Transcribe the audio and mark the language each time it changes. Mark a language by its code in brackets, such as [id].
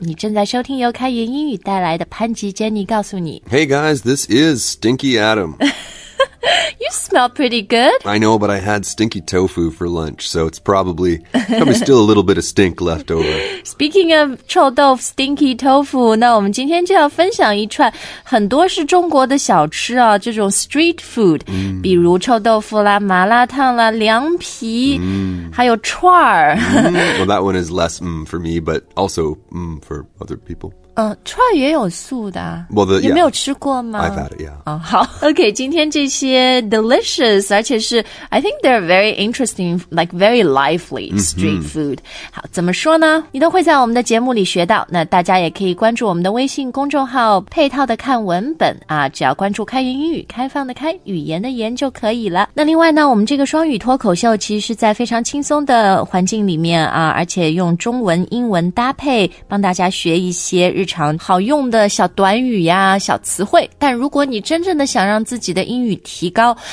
[zh] 你正在收听由开源英语带来的潘吉 Jenny 告诉你。 [en] Hey guys, this is Stinky Adam. You smell pretty good. I know, but I had stinky tofu for lunch, so it's probably still a little bit of stink left over. Speaking of [zh] 臭豆腐 stinky tofu, 那我们今天就要分享一串很多是中国的小吃啊，这种 [en] street food,、 [zh] mm. 比如臭豆腐啦，麻辣烫啦，凉皮、mm. 还有串儿。 mm. [en] Well, that one is less for me, but also for other people. [zh] 串也有素的、 [en] 啊、well, the, [zh] 你没有吃过吗 [en] I've had it, yeah、 oh, 好 OK, [zh] 今天这些 [en] delicious [zh] 而且是 [en] I think they're very interesting like very lively street、mm-hmm. food [zh] 好怎么说呢你都会在我们的节目里学到那大家也可以关注我们的微信公众号配套的看文本啊，只要关注开源英语开放的开语言的言就可以了那另外呢我们这个双语脱口秀其实是在非常轻松的环境里面啊，而且用中文英文搭配帮大家学一些日常好用的小短语呀小词汇但如果你真正的想让自己的英语提高